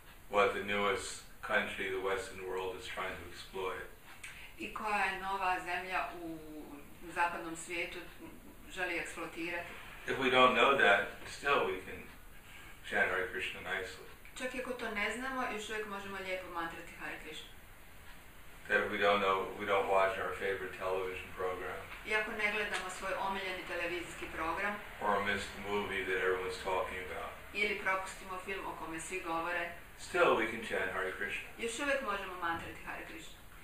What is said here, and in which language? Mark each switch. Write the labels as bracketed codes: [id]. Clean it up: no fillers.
[en] What the newest country the Western world is trying to exploit. [hr] I koja je nova zemlja u zapadnom svijetu želi eksploatirati. [en] If we don't know that, still we can chant Hare Krishna nicely. [hr] Čak i ako to ne znamo, još uvijek možemo lijepo mantrati Hare Krishna. [en] That we don't know, we don't watch our favorite television program. [hr] Iako ne gledamo svoj omiljeni televizijski program. [en] Or a missed movie that everyone's talking about. [hr] Ili propustimo film o kome svi govore. [en] Still, we can chant Hare Krishna. [hr] Još uvijek možemo mantrati Hare Krishna.